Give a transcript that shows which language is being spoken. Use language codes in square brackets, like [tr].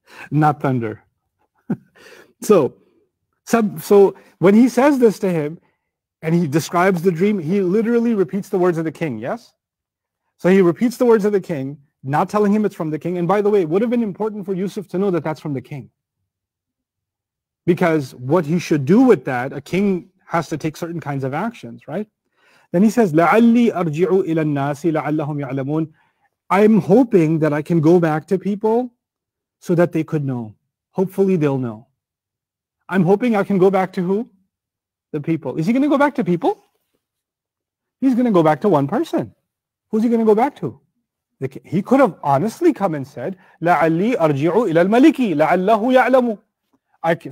[en] Not thunder. So when he says this to him and he describes the dream, he literally repeats the words of the king, yes? So he repeats the words of the king, not telling him it's from the king. And by the way, it would have been important for Yusuf to know that that's from the king. Because what he should do with that, a king has to take certain kinds of actions, right? Then he says, [ar] لَعَلِّي أَرْجِعُ إِلَى النَّاسِ لَعَلَّهُمْ يَعْلَمُونَ. [en] I'm hoping that I can go back to people so that they could know. Hopefully they'll know. I'm hoping I can go back to who? The people. Is he going to go back to people? He's going to go back to one person. Who's he going to go back to? He could have honestly come and said, [ar] لَعَلِّي أَرْجِعُ إِلَى الْمَلِكِ لَعَلَّهُ يَعْلَمُ.